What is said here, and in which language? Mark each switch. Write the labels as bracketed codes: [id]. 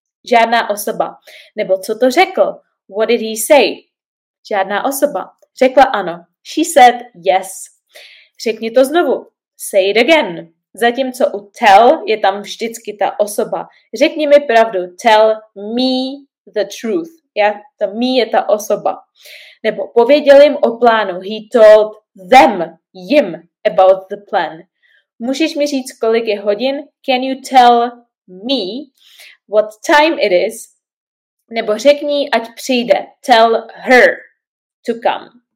[cs] Žádná osoba. Nebo co to řekl? [en] What did he say? [cs] Žádná osoba. Řekla ano. [en] She said yes. [cs] Řekni to znovu. [en] Say it again. [cs] Zatímco u tell je tam vždycky ta osoba. Řekni mi pravdu. [en] Tell me the truth. To me [cs] je ta osoba. Nebo pověděl jim o plánu. [en] He told them, jim, about the plan. [cs] Můžeš mi říct, kolik je hodin? [en] Can you tell me what time it is, [cs] nebo řekni, ať přijde, [en] tell her to come.